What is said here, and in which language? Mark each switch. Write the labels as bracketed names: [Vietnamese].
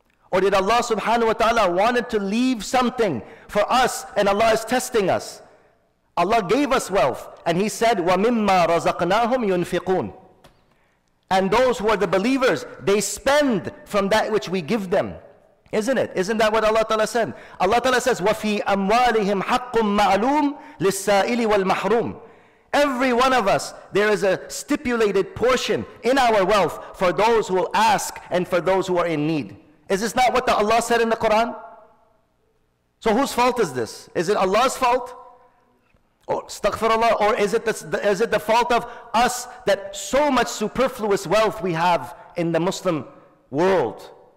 [English] Or did Allah subhanahu wa ta'ala wanted to leave something for us and Allah is testing us? Allah gave us wealth and He said, [Arabic] وَمِمَّا رَزَقْنَاهُمْ يُنْفِقُونَ. [English] And those who are the believers, they spend from that which we give them. Isn't it? Isn't that what Allah Ta'ala said? Allah Ta'ala says, [Arabic] وَفِي أَمْوَالِهِمْ حَقٌّ مَعْلُومٌ لِلسَّائِلِ وَالْمَحْرُومِ. [English] Every one of us, there is a stipulated portion in our wealth for those who will ask and for those who are in need. Is this not what Allah said in the Quran? So whose fault is this? Is it Allah's fault? Or astaghfirullah, or is it the fault of us that so much superfluous wealth we have in the Muslim world?